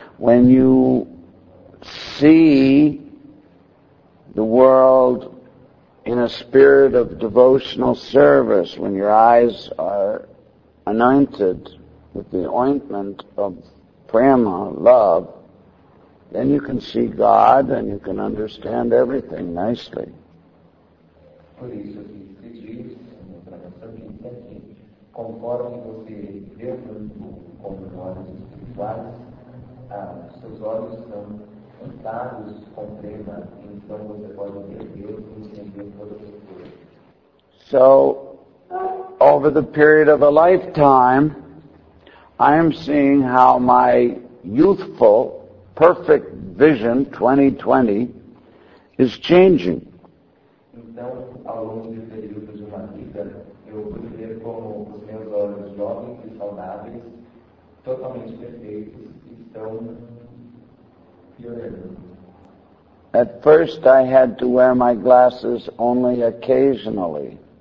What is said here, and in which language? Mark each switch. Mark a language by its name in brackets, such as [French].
[English] When you see the world in a spirit of devotional service, when your eyes are anointed with the ointment of prema, love, then you can see God and you can understand everything nicely. [Portuguese] Por isso que se diz, na tradução bíblica, que conforme você vê o mundo com os olhos espirituais, seus olhos são untados com prema, então você pode ver Deus e entender todas as coisas. [English] So, over the period of a lifetime, I am seeing how my youthful, perfect vision, 20/20, is changing. [Portuguese] Então, ao longo do período de uma vida, eu pude ver como os meus olhos jovens e saudáveis, totalmente perfeitos, estão piorando. [English] At first I had to wear my glasses only occasionally.